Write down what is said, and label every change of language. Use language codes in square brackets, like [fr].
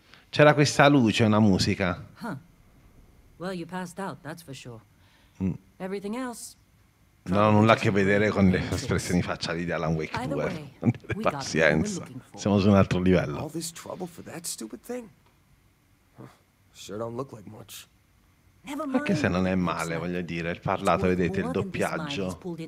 [it] C'era questa luce, una musica. [en] Well, you passed out, that's for sure. Everything else. [it] Non ho nulla a che vedere con le espressioni facciali di Alan Wake 2. Pazienza, siamo su un altro livello. [en] All this trouble for that stupid thing? Sure don't look like much. [it] Anche se non è male, voglio dire, il parlato, vedete, il doppiaggio.